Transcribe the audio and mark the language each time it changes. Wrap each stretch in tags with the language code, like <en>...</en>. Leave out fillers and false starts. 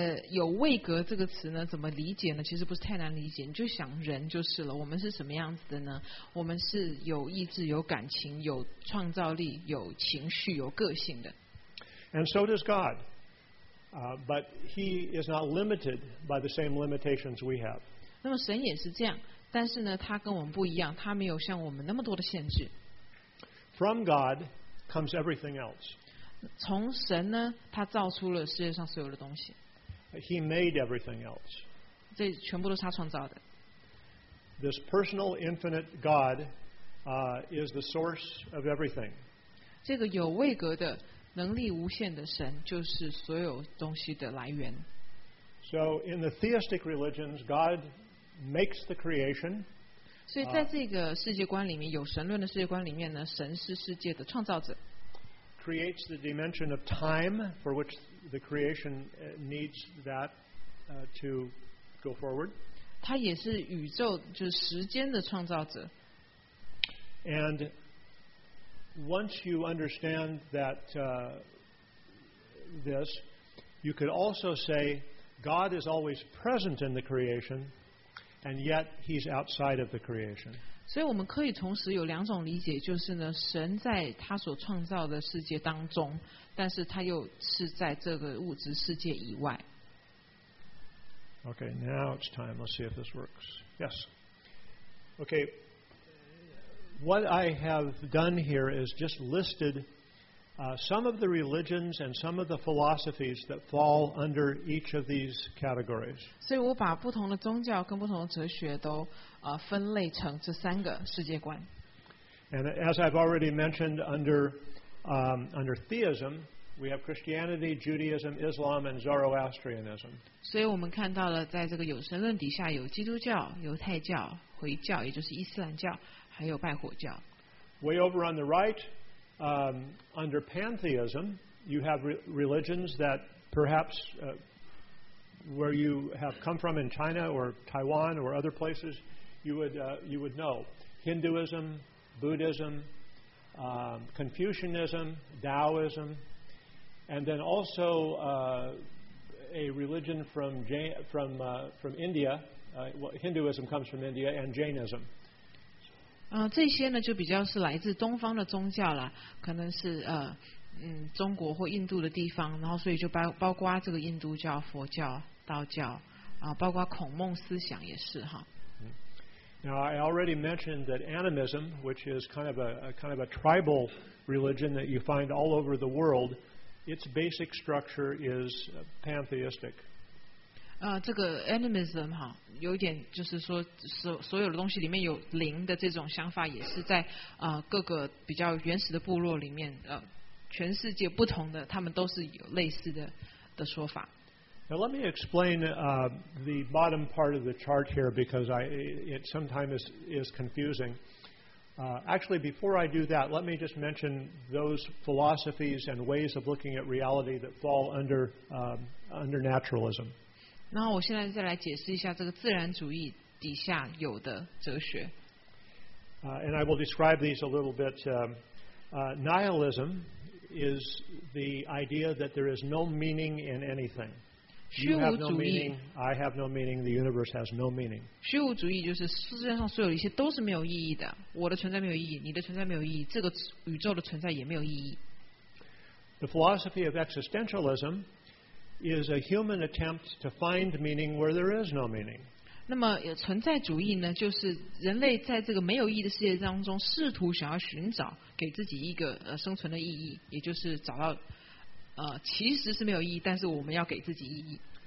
<zh>有位格这个词呢，怎么理解呢？其实不是太难理解，你就想人就是了。我们是什么样子的呢？我们是有意志、有感情、有创造力、有情绪、有个性的。</zh> <en>And so does God. But he is not limited by the same limitations we have.</en> <zh>那么神也是这样，但是呢，他跟我们不一样，他没有像我们那么多的限制。</zh> <en>From God comes everything else.</en> <zh>从神呢，他造出了世界上所有的东西。</zh> <en>He made everything else.</en> <zh>这全部都是他创造的。</zh> <en>This personal infinite God, is the source of everything.</en> <zh>这个有位格的能力无限的神就是所有东西的来源。</zh> <en>So in the theistic religions, God makes the creation.</en> <zh>所以在这个世界观里面，有神论的世界观里面呢，神是世界的创造者。</zh> <en>Creates the dimension of time for which the creation needs that to go forward.</en> <zh>他也是宇宙就是时间的创造者。</zh> <en>And once you understand that this, you could also say God is always present in the creation, and yet he's outside of the creation.</en> <zh>所以我们可以同时有两种理解，就是呢，神在他所创造的世界当中，但是他又是在这个物质世界以外。</zh> <en>Okay, now it's time. Let's see if this works. Yes. Okay. What I have done here is just listed some of the religions and some of the philosophies that fall under each of these categories.</en> <zh>所以我把不同的宗教跟不同的哲学都分类成这三个世界观。</zh> <en>And as I've already mentioned, under theism, we have Christianity, Judaism, Islam, and Zoroastrianism.</en> <zh>所以我们看到了在这个有神论底下有基督教、犹太教、回教，也就是伊斯兰教，还有拜火教。</zh> <en>Way over on the right, under pantheism, you have religions that perhaps where you have come from in China or Taiwan or other places, you would know. Hinduism, Buddhism, Confucianism, Taoism, and then also a religion from India. Hinduism comes from India, and Jainism.</en> <zh>这些呢就比较是来自东方的宗教啦，可能是中国或印度的地方，然后所以就包括这个印度教、佛教、道教，包括孔孟思想也是哈。</zh> <en>Now I already mentioned that animism, which is kind of a tribal religion that you find all over the world, its basic structure is pantheistic.</en> <zh>这个 animism 哈，有点就是说所有的东西里面有灵的这种想法，也是在各个比较原始的部落里面全世界不同的，他们都是有类似的说法。</zh> <en>Now let me explain the bottom part of the chart here because it sometimes is confusing. Actually, before I do that, let me just mention those philosophies and ways of looking at reality that fall under naturalism.</en> <zh>然后我现在再来解释一下这个自然主义底下有的哲学。</zh> <en>And I will describe these a little bit. Nihilism is the idea that there is no meaning in anything. You have no meaning, I have no meaning, the universe has no meaning.</en> <zh>虚无主义就是世界上所有一切都是没有意义的，我的存在没有意义，你的存在没有意义，这个宇宙的存在也没有意义。</zh> <en>The philosophy of existentialism is a human attempt to find meaning where there is no meaning.</en> <zh>那么存在主义呢，就是人类在这个没有意义的世界当中试图想要寻找给自己一个生存的意义，也就是找到其实是没有意义，但是我们要给自己意义。</zh>